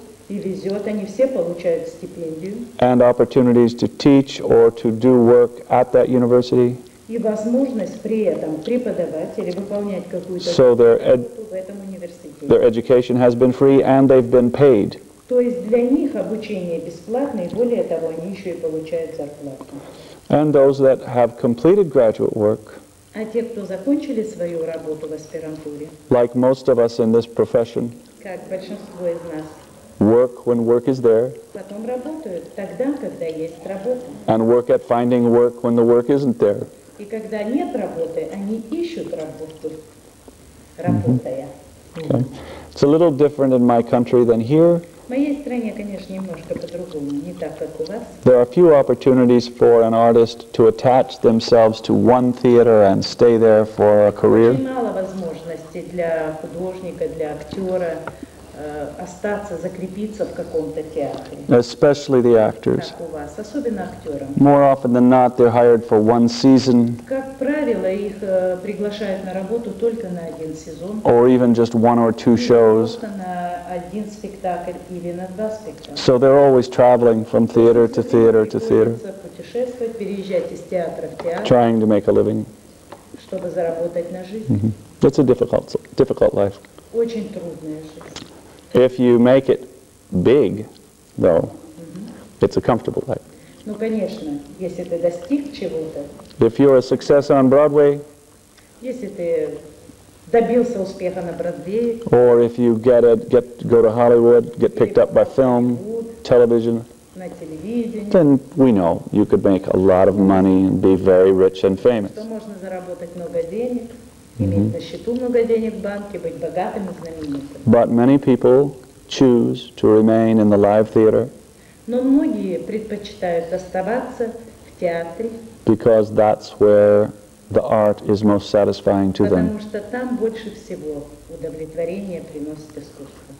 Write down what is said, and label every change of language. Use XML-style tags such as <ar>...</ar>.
<ru>И везет, они все получают стипендию.</ru> <en>And opportunities to teach or to do work at that university.</en> <ru>И возможность при этом преподавать или выполнять какую-то работу в этом университете.</ru> <en>Their education has been free and they've been paid.</en> <ru>То есть для них обучение бесплатное, более того, они еще и получают зарплату.</ru> <en>And those that have completed graduate work.</en> <ru>А те, кто закончили свою работу в аспирантуре.</ru> <en>Like most of us in this profession.</en> <ru>Как большинство из нас.</ru> <en>Work when work is there.</en> <ru>Потом работают тогда, когда есть работа.</ru> <en>And work at finding work when the work isn't there.</en> <ru>И когда нет работы, они ищут работу, работая. Mm-hmm. Okay.</ru> <en>It's a little different in my country than here.</en> <ru>В моей стране, конечно, немножко по-другому, не так, как у вас.</ru> <en>There are few opportunities for an artist to attach themselves to one theater and stay there for a career.</en> <ru>Очень мало возможностей для художника, для актера. остаться, закрепиться в каком-то театре.</ru> <en>Especially the actors.</en> <ru>Как у вас, особенно актерам.</ru> <en>More often than not, they're hired for one season.</en> <ru>Как правило, их приглашают на работу только на один сезон.</ru> <en>Or even just one or two shows.</en> <ru>Просто на один спектакль или на два спектакля.</ru> <en>So they're always traveling from theater to theater to theater.</en> <ru>Путешествовать, переезжать из театра в театр.</ru> <en>Trying to make a living.</en> <ru>Чтобы заработать на жизнь.</ru> <en>That's a difficult life.</en> <ru>Очень трудная жизнь.</ru> <en>If you make it big, though, it's a comfortable life.</en> <ru>Ну, конечно, если ты достиг чего-то.</ru> <en>If you're a success on Broadway.</en> <ru>Если ты добился успеха на Бродвее.</ru> <en>Or if you go to Hollywood, get picked up by film, television.</en> <ru>На телевидении.</ru> <en>Then we know you could make a lot of money and be very rich and famous.</en> <ru>Что можно заработать много денег. Иметь на счету много денег в банке, быть богатым и знаменитым.</ru> <en>But many people choose to remain in the live theater.</en> <ru>Но многие предпочитают оставаться в театре.</ru> <en>Because that's where the art is most satisfying to them.</en> <ru>Потому что там больше всего удовлетворение приносит искусство.</ru>